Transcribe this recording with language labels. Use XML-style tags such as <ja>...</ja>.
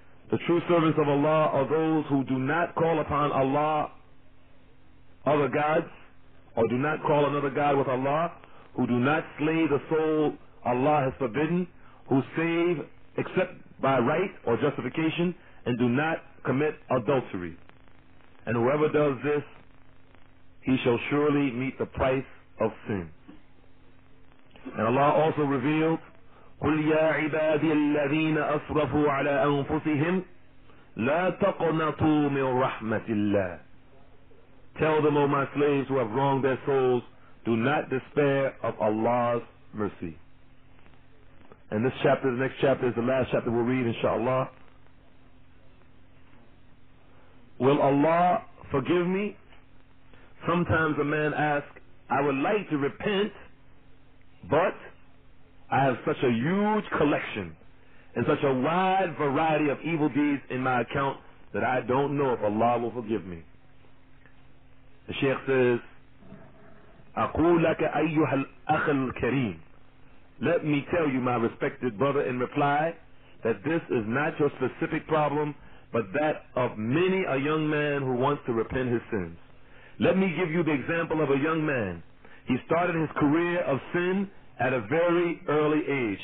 <en>The true servants of Allah are those who do not call upon Allah other gods, or do not call another god with Allah, who do not slay the soul Allah has forbidden, who save except by right or justification, and do not commit adultery. And whoever does this, he shall surely meet the price of sin. And Allah also revealed,</en> <ar>قُلْ يَا عِبَادِيَ الَّذِينَ أَسْرَفُوا عَلَىٰ أَنفُسِهِمْ لَا تَقْنَطُوا مِنْ رَحْمَةِ اللَّهِ.</ar> <en>Tell them, O my slaves who have wronged their souls, do not despair of Allah's mercy. And this chapter, the next chapter, is the last chapter we'll read, inshallah. Will Allah forgive me? Sometimes a man asks, I would like to repent, but I have such a huge collection and such a wide variety of evil deeds in my account that I don't know if Allah will forgive me. The Sheikh says,</en> <ar>أقول لك أيها الأخ الكريم.</ar> <en>Let me tell you, my respected brother, in reply, that this is not your specific problem, but that of many a young man who wants to repent his sins. Let me give you the example of a young man. He started his career of sin at a very early age.</en>